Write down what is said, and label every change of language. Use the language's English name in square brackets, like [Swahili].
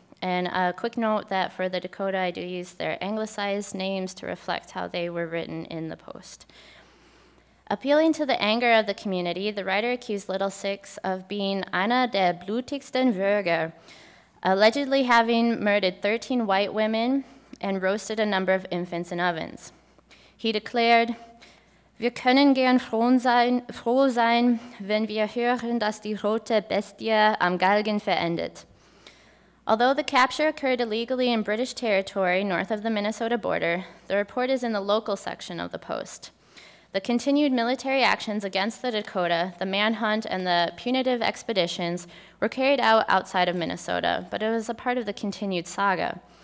[English] And a quick note that for the Dakota, I do use their anglicized names to reflect how they were written in the Post. Appealing to the anger of the community, the writer accused Little Six of being [German] Anna der blutigsten Würger, [English] allegedly having murdered 13 white women and roasted a number of infants in ovens. He declared, [German] "Wir können gern froh sein, wenn wir hören, dass die rote Bestie am Galgen verendet." [English] Although the capture occurred illegally in British territory north of the Minnesota border, the report is in the local section of the Post. The continued military actions against the Dakota, the manhunt, and the punitive expeditions were carried out outside of Minnesota, but it was a part of the continued saga.